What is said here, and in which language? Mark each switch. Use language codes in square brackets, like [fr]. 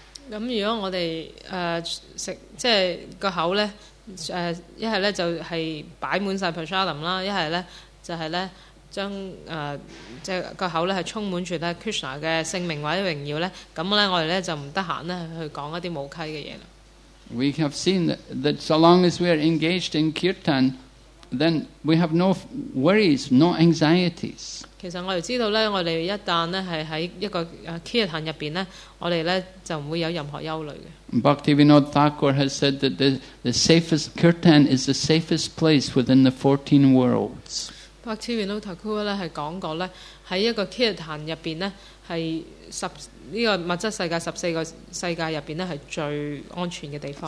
[yue] 咁如果我哋食即係個口咧，一係咧就係擺滿曬 prasadam 啦，一係咧就係咧將即係個口咧係充滿住咧 Krishna 嘅聖名或者榮耀咧，咁咧我哋咧就唔得閒咧去講一啲無稽嘅嘢啦。 [en] We have seen that so long as we are engaged in kirtan, then we have no worries, no anxieties. [yue] 其實我哋知道咧，我哋一旦咧係喺一個kirtan入邊咧，我哋咧就唔會有任何憂慮嘅。 [en] Bhaktivinod Thakur has said that the safest kirtan is the safest place within the 14 worlds. [yue] Bhaktivinod Thakur 咧係講過咧，喺一個kirtan入邊咧係呢個物質世界14個世界入邊咧係最安全嘅地方。